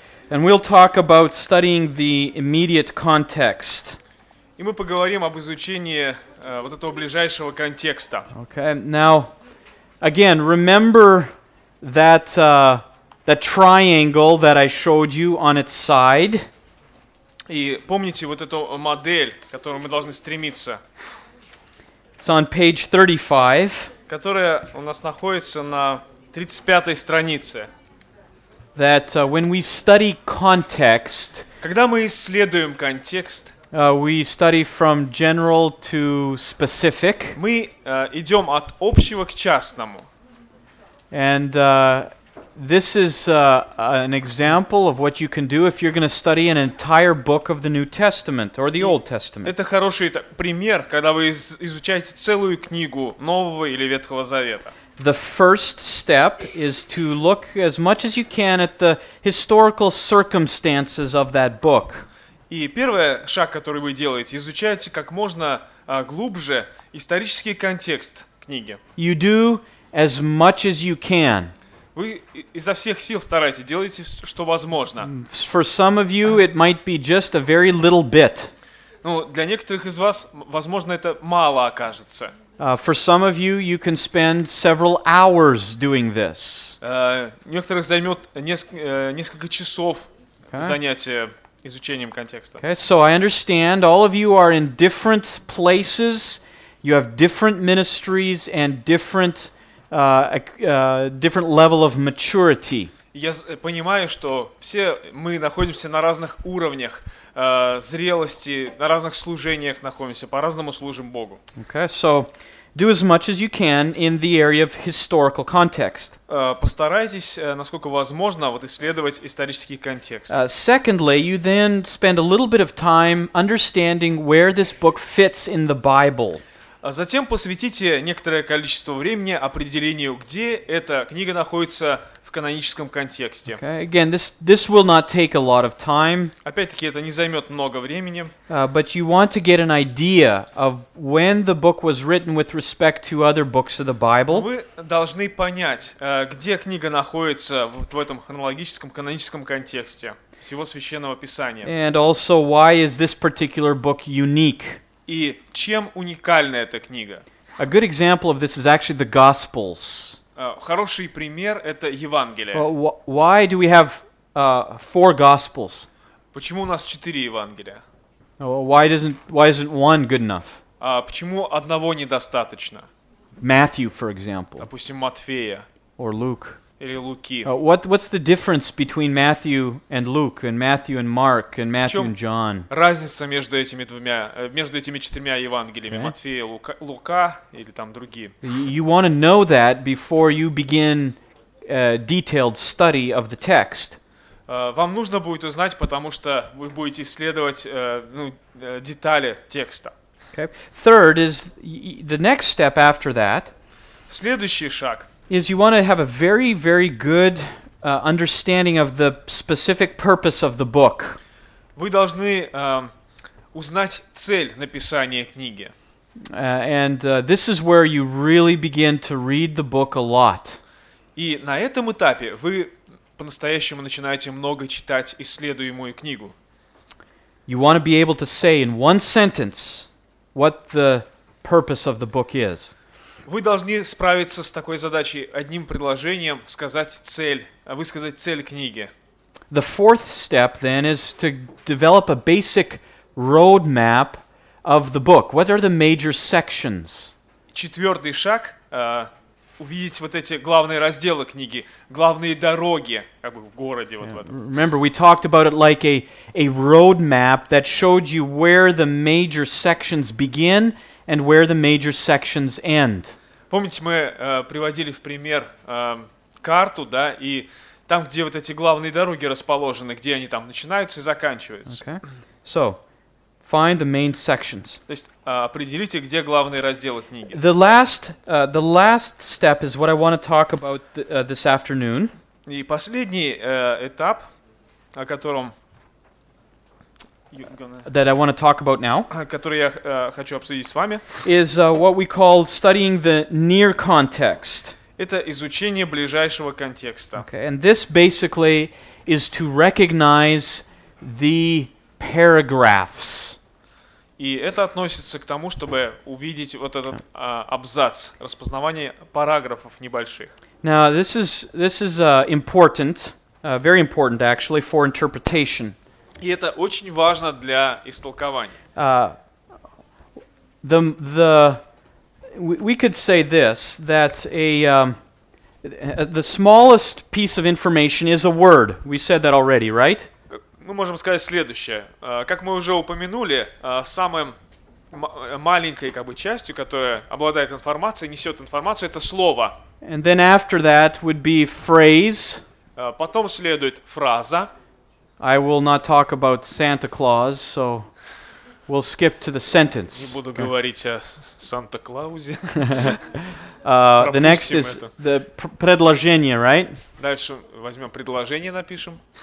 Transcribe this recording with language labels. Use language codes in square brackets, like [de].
[en] And we'll talk about studying the immediate context. [ru] И мы поговорим об изучении вот этого ближайшего контекста. [en] Okay. Now, again, remember that that triangle that I showed you on its side. [ru] И помните вот эту модель, к которой мы должны стремиться. [en] It's on page 35. [ru] Которая у нас находится на 35-й странице. [en] That when we study context, [ru] когда мы исследуем контекст, [en] we study from general to specific. [ru] Мы идем от общего к частному. [en] And this is an example of what you can do if you're going to study an entire book of the New Testament or the Old Testament. [ru] Это хороший пример, когда вы изучаете целую книгу Нового или Ветхого Завета. [en] The first step is to look as much as you can at the historical circumstances of that book. [ru] И первый шаг, который вы делаете, изучаете как можно глубже исторический контекст книги. [en] You do as much as you can. [ru] Вы изо всех сил стараетесь, делаете, что возможно. [en] For some of you, it might be just a very little bit. [ru] Ну, для некоторых из вас, возможно, это мало окажется. [en] For some of you, you can spend several hours doing this. [ru] Некоторых займет несколько часов занятия изучением контекста. [en] Okay, so I understand all of you are in different places, you have different ministries and different different level of maturity. [ru] Я понимаю, что все мы находимся на разных уровнях зрелости, на разных служениях находимся, по-разному служим Богу. [en] Okay, so do as much as you can in the area of historical context. [ru] Постарайтесь, насколько возможно, вот исследовать исторический контекст. [en] Secondly, you then spend a little bit of time understanding where this book fits in the Bible. [ru] Затем посвятите некоторое количество времени определению, где эта книга находится в каноническом контексте. [en] Okay, again, this will not take a lot of time. [ru] Опять-таки, это не займет много времени. [en] But you want to get an idea of when the book was written with respect to other books of the Bible. [ru] Вы должны понять, где книга находится вот в этом хронологическом каноническом контексте всего Священного Писания. [en] And also, why is this particular book unique? [ru] И чем уникальна эта книга? [en] A good example of this is actually the Gospels. [ru] Хороший пример — это Евангелие. [en] Well, why do we have four Gospels? [ru] Почему у нас четыре Евангелия? [en] Well, why isn't one good enough? [ru] Почему одного недостаточно? [en] Matthew, for example. [ru] Допустим, Матфея. [en] Or Luke. [ru] Или Луки. [en] What's the difference between Matthew and Luke and Matthew and Mark and Matthew and John? [ru] Разница между этими двумя, между этими четырьмя Евангелиями, okay. Матфея, Лука или там другие. [en] You want to know that before you begin detailed study of the text. [ru] Вам нужно будет узнать, потому что вы будете исследовать детали текста. [en] Okay. Third is the next step after that. [ru] Следующий шаг. [en] Is you want to have a very, very good understanding of the specific purpose of the book. [ru] Вы должны узнать цель написания книги. [en] And this is where you really begin to read the book a lot. [ru] И на этом этапе вы по-настоящему начинаете много читать исследуемую книгу. [en] You want to be able to say in one sentence what the purpose of the book is. [ru] Вы должны справиться с такой задачей одним предложением, сказать цель, высказать цель книги. [en] The fourth step then is to develop a basic roadmap of the book. What are the major sections? [ru] Четвертый шаг увидеть вот эти главные разделы книги, главные дороги, как бы в городе вот в этом. [en] Remember, we talked about it like a roadmap that showed you where the major sections begin. And where the major sections end. [ru] Помните, мы приводили в пример карту, да, и там, где вот эти главные дороги расположены, где они там начинаются и заканчиваются. [en] Okay. So, find the main sections. [ru] То есть определите, где главные разделы книги. [en] The last step is what I want to talk about this afternoon. [ru] И последний этап, о котором [en] That I want to talk about now, [ru] который я хочу обсудить с вами, [en] is what we call studying the near context. [ru] Это изучение ближайшего контекста. [en] Okay, and this basically is to recognize the paragraphs. [ru] И это относится к тому, чтобы увидеть вот этот абзац, распознавание параграфов небольших. [en] Now this is important, very important actually for interpretation. [ru] И это очень важно для истолкования. [en] We could say this, that the smallest piece of information is a word. We said that already, right? [ru] Мы можем сказать следующее. Как мы уже упомянули, самым маленькой как бы частью, которая обладает информацией, несет информацию, это слово. [en] And then after that would be phrase. [ru] Потом следует фраза. [en] I will not talk about Santa Claus, so we'll skip to the sentence. [ru] Не буду говорить о Санта-Клаузе. [en] The next is the предложение, right? [ru] Дальше возьмем предложение, напишем.